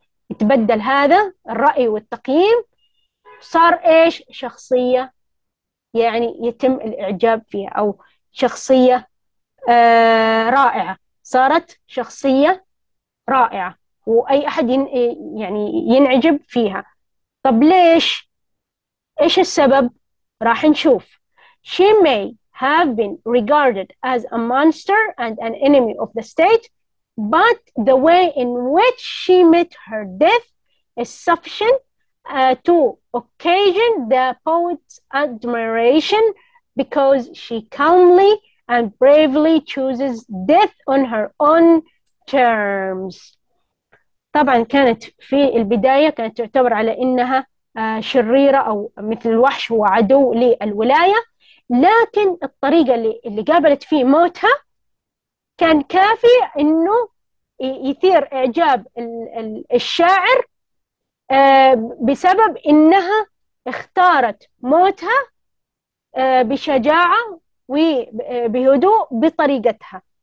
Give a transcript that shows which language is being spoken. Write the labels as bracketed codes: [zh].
[ar] اتبدل هذا الرأي والتقييم، صار إيش؟ شخصية يعني يتم الإعجاب فيها، أو شخصية رائعة، صارت شخصية رائعة وأي أحد يعني ينعجب فيها. طب ليش؟ إيش السبب؟ راح نشوف. [en] She may have been regarded as a monster and an enemy of the state, but the way in which she met her death is sufficient to occasion the poet's admiration, because she calmly and bravely chooses death on her own terms. [ar] طبعا كانت في البداية كانت تعتبر على إنها شريرة أو مثل الوحش، هو عدو للولاية، لكن الطريقة اللي قابلت فيه موتها كان كافي إنه يثير إعجاب الشاعر، بسبب إنها اختارت موتها بشجاعة وبهدوء بطريقتها.